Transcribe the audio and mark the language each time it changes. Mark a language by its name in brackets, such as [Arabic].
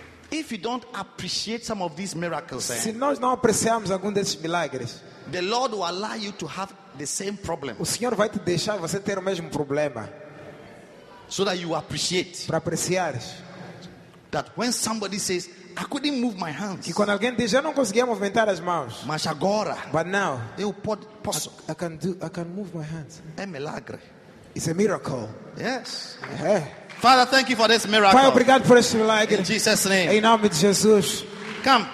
[English] If you don't appreciate some of these miracles, [Portuguese] se nós não apreciamos algum desses milagres, [English] the Lord will allow you to have the same problem. [Portuguese] O Senhor vai te deixar você ter o mesmo problema. [English] So that you appreciate. [Portuguese] Para apreciares. [English] That when somebody says, I couldn't move my hands. [Portuguese] Que quando alguém diz, eu não conseguia movimentar as mãos. Mas agora. [English] But now. [Portuguese] Eu posso. [English] I can move my hands. [Portuguese] É milagre. [English] It's a miracle. Yes. Uh-huh. Father, thank you for this miracle. [Portuguese] Pai, obrigado por este milagre. [English] In Jesus' name. [Portuguese] Em nome de Jesus. [English] Come.